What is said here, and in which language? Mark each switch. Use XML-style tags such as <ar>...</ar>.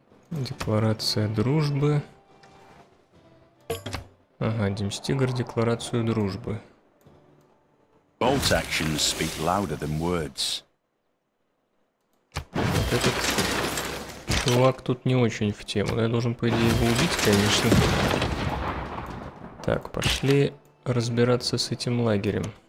<ru>Декларация дружбы. Ага, Димстигр, декларацию дружбы.</ru> <en>Bolt actions speak louder than words.</en> <ru>Вот этот чувак тут не очень в тему. Я должен, по идее, его убить, конечно. Так, пошли разбираться с этим лагерем.</ru>